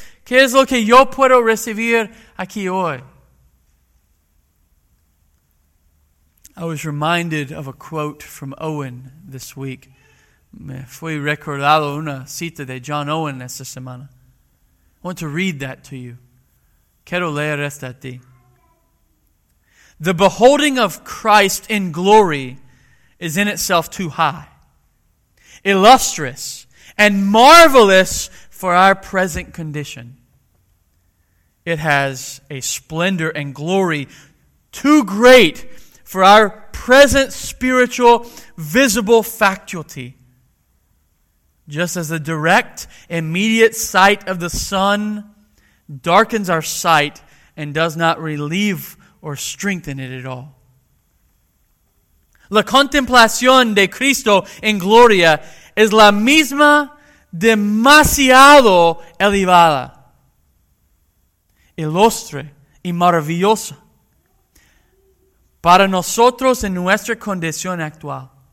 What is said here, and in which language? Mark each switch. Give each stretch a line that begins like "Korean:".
Spanish: ¿Qué es lo que yo puedo recibir aquí hoy?
English: I was reminded of a quote from Owen this week.
Spanish: Me fui recordado una cita de John Owen esta semana.
English: I want to read that to you.
Spanish: Quiero leer esta a ti.
English: The beholding of Christ in glory is in itself too high, illustrious, and marvelous for our present condition. It has a splendor and glory too great for our present spiritual visible faculty. Just as the direct, immediate sight of the sun darkens our sight and does not relieve or strengthen it at all.
Spanish: La contemplación de Cristo en gloria es la misma demasiado elevada, ilustre y maravillosa para nosotros en nuestra condición actual.